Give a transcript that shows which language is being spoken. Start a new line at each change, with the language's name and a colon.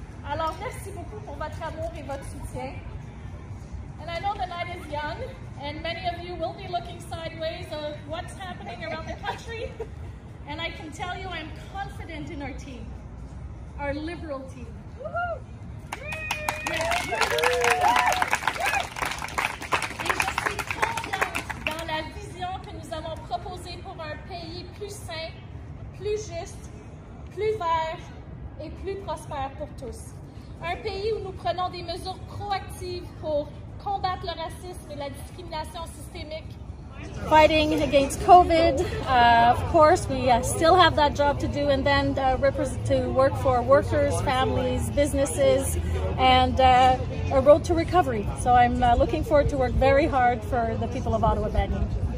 French: Alors, merci beaucoup pour votre amour et votre soutien.
English: And I know the night is young, and many of you will be looking sideways of what's happening around the country. And I can tell you I'm confident in our team, our Liberal team.
French: Et je suis confiante dans la vision que nous avons proposée pour un pays plus sain, plus juste, plus vert et plus prospère pour tous. Un pays où nous prenons des mesures proactives pour combattre le racisme et la discrimination systémique.
English: Fighting against COVID, of course, we still have that job to do, and then to work for workers, families, businesses, and a road to recovery. So I'm looking forward to work very hard for the people of Ottawa-Vanier.